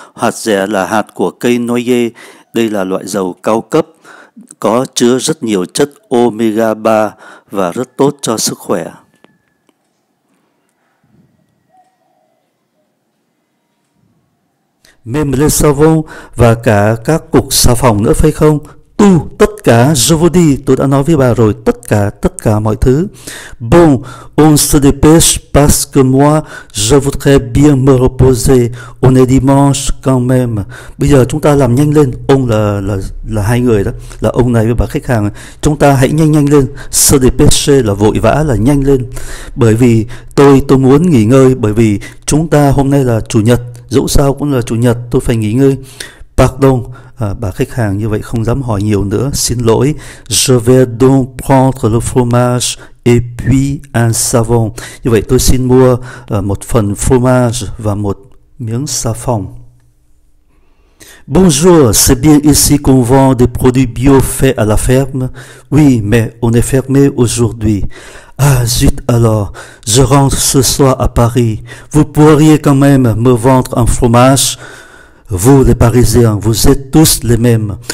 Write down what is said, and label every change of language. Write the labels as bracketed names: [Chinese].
[Vietnamese] Hạt dẻ là hạt của cây noyer. Đây là loại dầu cao cấp, có chứa rất nhiều chất omega 3 và rất tốt cho sức khỏe. [French] Même le savon [Vietnamese] và cả các cục xà phòng nữa phải không? Tất cả, [French] je vous dis, [Vietnamese] tôi đã nói với bà rồi, tất cả mọi thứ. [French] Bon, on se dépêche parce que moi, je voudrais bien me reposer. On est dimanche quand même. [Vietnamese] Bây giờ chúng ta làm nhanh lên, ông là hai người đó, là ông này với bà khách hàng. Chúng ta hãy nhanh nhanh lên, [French] se dépêche [Vietnamese] là vội vã, là nhanh lên. Bởi vì tôi muốn nghỉ ngơi, bởi vì chúng ta hôm nay là chủ nhật, dẫu sao cũng là chủ nhật, tôi phải nghỉ ngơi. Pardon, bà khách hàng như vậy không dám hỏi nhiều nữa, xin lỗi. [French] Je vais donc prendre le fromage et puis un savon. [Vietnamese] Như vậy tôi xin mua một phần fromage và một miếng xà phòng. [French] Bonjour, c'est bien ici qu'on vend des produits bio faits à la ferme? Oui, mais on est fermé aujourd'hui. Ah zut alors, je rentre ce soir à Paris. Vous pourriez quand même me vendre un fromage? Vous, les Parisiens, vous êtes tous les mêmes.